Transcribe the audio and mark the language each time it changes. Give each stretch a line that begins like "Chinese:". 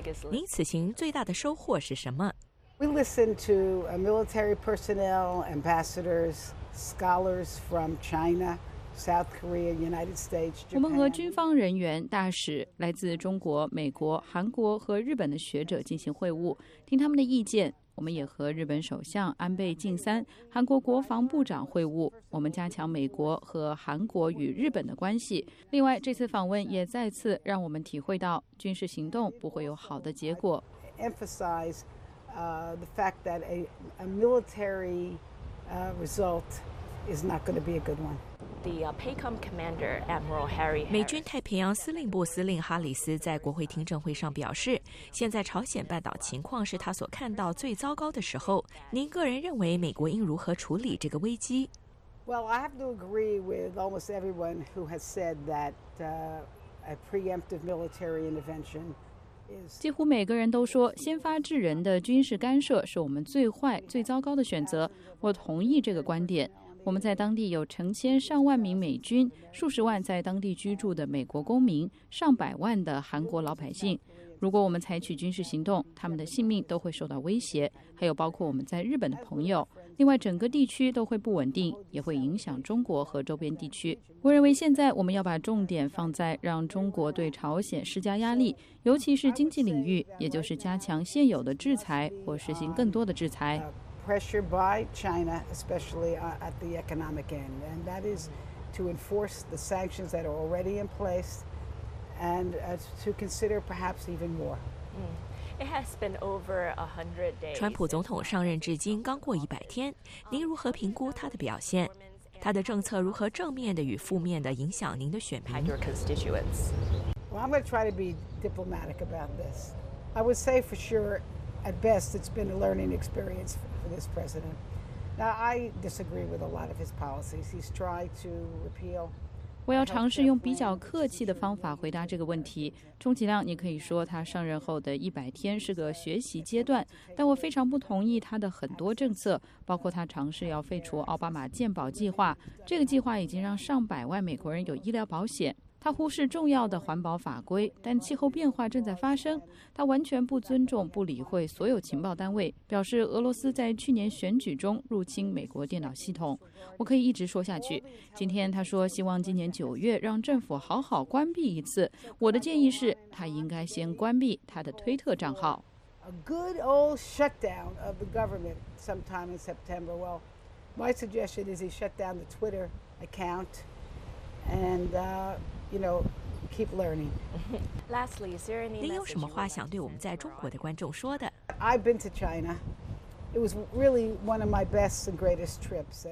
Chinese: 您此行最大的收获是什么？
English: We listened to military personnel, ambassadors, scholars from China, South Korea, United States, Japan.
Chinese: 我们和军方人员、大使、来自中国、美国、韩国和日本的学者进行会晤，听他们的意见。我们也和日本首相安倍晋三、韩国国防部长会晤，我们加强美国和韩国与日本的关系。另外，这次访问也再次让我们体会到，军事行动不会有好的结果。
English: The fact that a military result is not going to be a good one. The PACOM commander, Admiral Harry Harris.
Chinese: 美军太平洋司令部司令哈里斯在国会听证会上表示，现在朝鲜半岛情况是他所看到最糟糕的时候。您个人认为美国应如何处理这个危机？
English: Well, I have to agree with almost everyone who has said that a preemptive military intervention.
Chinese: 几乎每个人都说，先发制人的军事干涉是我们最坏、最糟糕的选择。我同意这个观点。我们在当地有成千上万名美军，数十万在当地居住的美国公民，上百万的韩国老百姓。如果我们采取军事行动，他们的性命都会受到威胁，还有包括我们在日本的朋友。另外，整个地区都会不稳定，也会影响中国和周边地区。我认为现在我们要把重点放在让中国对朝鲜施加压力，尤其是经济领域，也就是加强现有的制裁或实行更多的制裁。
English: Pressure by China, especially at the economic end, and that is to enforce the sanctions that are already in place, and to consider perhaps even more. It has been over 100 days.
Chinese: 川普总统上任至今刚过100天，您如何评估他的表现？他的政策如何正面的与负面的影响您的选民 ？
English: Your constituents. Well, I'm going to try to be diplomatic about this. I would say for sure, at best, it's been a learning experience for this president. Now, I disagree with a lot of his policies. He's tried to repeal.
Chinese: 我要尝试用比较客气的方法回答这个问题。充其量你可以说他上任后的100天是个学习阶段，但我非常不同意他的很多政策，包括他尝试要废除奥巴马健保计划。这个计划已经让上百万美国人有医疗保险。他忽视重要的环保法规，但气候变化正在发生。他完全不尊重、不理会所有情报单位，表示俄罗斯在去年选举中入侵美国电脑系统。我可以一直说下去。今天他说希望今年9月让政府好好关闭一次。我的建议是，他应该先关闭他的推特账号。
English: A good old shutdown of the government sometime in September. Well, my suggestion is he shut down the Twitter account and. You know, keep learning. Lastly, is there any?
Chinese: 您有什么话想对我们在中国的观众说的
English: ？I've been to China. It was really one of my best and greatest trips.